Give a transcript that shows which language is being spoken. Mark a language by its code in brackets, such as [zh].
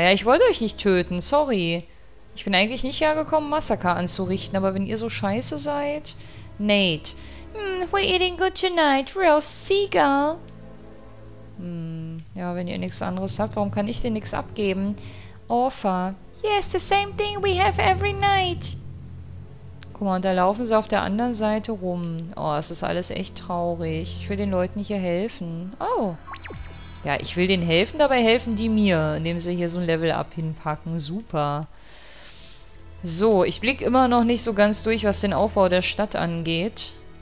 [de] Ja, ich wollte euch nicht töten. Sorry. Ich bin eigentlich nicht hergekommen, Massaker anzurichten, aber wenn ihr so scheiße seid... Nate. [en] We're eating good tonight, roast seagull. [de] Ja, wenn ihr nichts anderes habt, warum kann ich dir nichts abgeben? Orpha. [en] Yes, the same thing we have every night. [de] Guck mal, und da laufen sie auf der anderen Seite rum. Oh, es ist alles echt traurig. Ich will den Leuten hier helfen. Oh. Ja, ich will denen helfen, dabei helfen die mir, indem sie hier so ein Level-Up hinpacken. Super. So, ich blicke immer noch nicht so ganz durch, was den Aufbau der Stadt angeht.